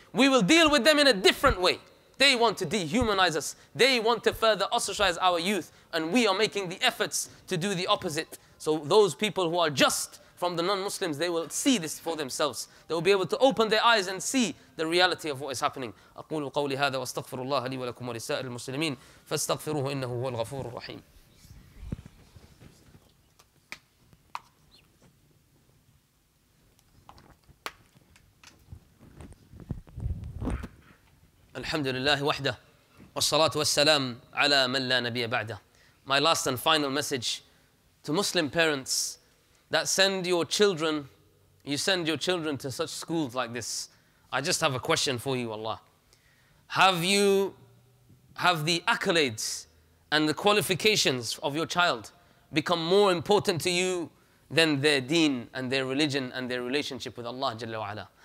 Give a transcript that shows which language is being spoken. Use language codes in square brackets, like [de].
[en] We will deal with them in a different way. They want to dehumanize us. They want to further ostracize our youth. And we are making the efforts to do the opposite. So those people who are just from the non-Muslims, they will see this for themselves. They will be able to open their eyes and see the reality of what is happening. [ar] أقول قولي هذا واستغفر الله لي ولكم ولسائر المسلمين فاستغفروه إنه هو الغفور الرحيم. الحمد لله وحده والصلاة والسلام على من لا نبي بعده. [en] My last and final message to Muslim parents that send your children to such schools like this. I just have a question for you, Allah. Have the accolades and the qualifications of your child become more important to you than their deen and their religion and their relationship with Allah Jalla wa Ala?